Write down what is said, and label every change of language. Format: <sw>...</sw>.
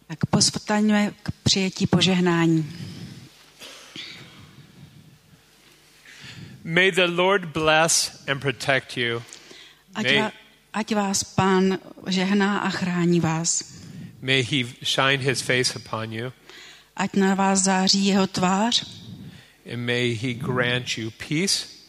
<cs>pozvaňuje k přijetí požehnání.</cs> <en>May the Lord bless and protect you.</en> <cs>Ať vás Pán žehná a chrání vás.</cs> <en>May he shine his face upon you.</en> <cs>Ať na vás září jeho tvář.</cs> <en>And may he grant you peace.</en>